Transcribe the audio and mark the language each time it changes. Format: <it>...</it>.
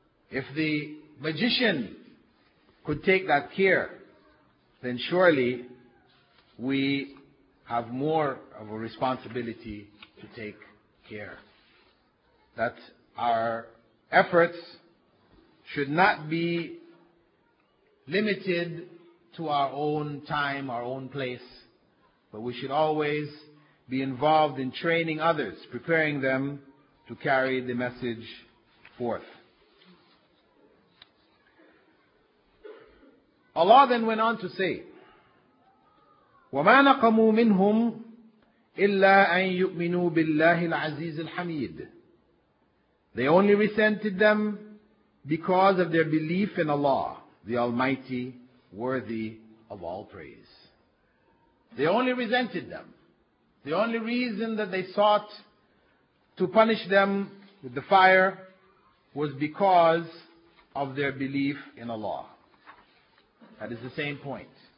<en>If the magician could take that care, then surely we have more of a responsibility to take care that our efforts should not be limited to our own time, our own place, but we should always be involved in training others, preparing them to carry the message forth. Allah then went on to say,</en> <ar>وَمَا نَقَمُوا مِنْهُمْ إِلَّا أَن يُؤْمِنُوا بِاللَّهِ الْعَزِيزِ الْحَمِيدِ.</ar> <en>They only resented them because of their belief in Allah, the Almighty, worthy of all praise. They only resented them. The only reason that they sought to punish them with the fire was because of their belief in Allah. That is the same point.</en>